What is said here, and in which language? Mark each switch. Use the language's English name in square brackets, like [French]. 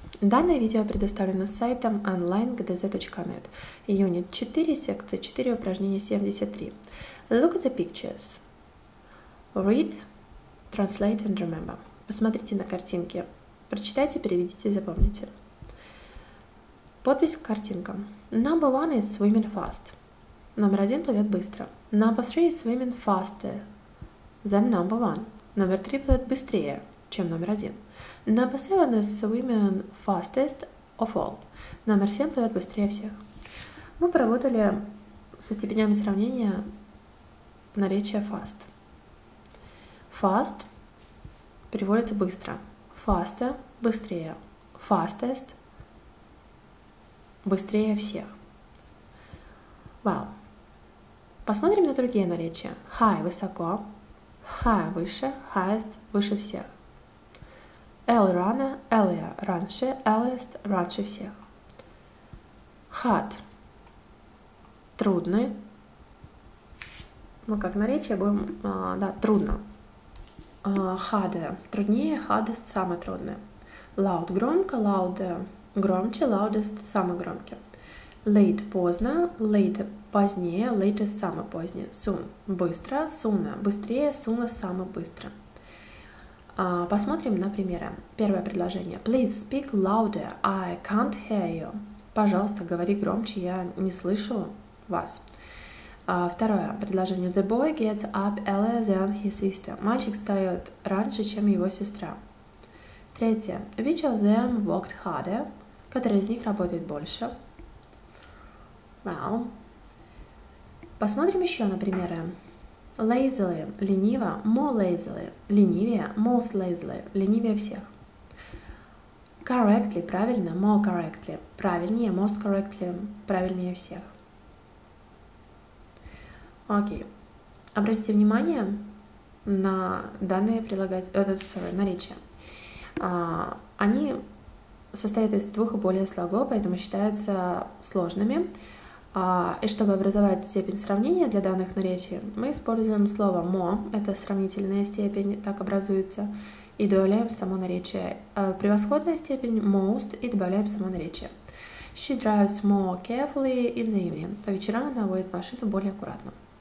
[Russian] Данное видео предоставлено сайтом online.gdz.net. Unit 4, секция 4, упражнение 73. [English] Look at the pictures. Read, translate and remember. [Russian] Посмотрите на картинки. Прочитайте, переведите, запомните. Подпись к картинкам. [English] Number one is swimming fast. [Russian] Номер один плывет быстро. [English] Number three is swimming faster than number one. [Russian] Номер три плывет быстрее, чем номер один. [English] Number seven is swimming fastest of all. [Russian] Номер семь плывет быстрее всех. Мы поработали со степенями сравнения наречия fast. Fast переводится быстро. Faster – быстрее. Fastest – быстрее всех. Well, посмотрим на другие наречия. High – высоко. High – выше. Highest – выше всех. [English] Early runner, earlier, раньше, earliest, раньше всех. [Russian] Hard, трудный. Мы как наречие будем, трудно. Harder, труднее, hardest, самое трудное. Loud, громко, louder, громче, loudest, самый громкий. Late, поздно, late, позднее, latest, самый поздний. Soon, быстро, sooner, быстрее, sooner, самый быстрый. Посмотрим на примеры. Первое предложение. [English] Please speak louder. I can't hear you. [Russian] Пожалуйста, говори громче. Я не слышу вас. Второе предложение. [English] The boy gets up earlier than his sister. [Russian] Мальчик встает раньше, чем его сестра. Третье. [English] Which of them worked harder? [Russian] Который из них работает больше? Well. Посмотрим еще на примеры. [English] Lazily – лениво, more lazily – ленивее, most lazily – ленивее всех. Correctly – правильно, more correctly – правильнее, most correctly – правильнее всех. [Russian] Окей. Обратите внимание на данные наречия. Они состоят из двух и более слогов, поэтому считаются сложными. И чтобы образовать степень сравнения для данных наречий, мы используем слово more, это сравнительная степень, так образуется, и добавляем само наречие. Превосходная степень most и добавляем само наречие. [English] She drives more carefully in the evening. [Russian] По вечерам она водит машину более аккуратно.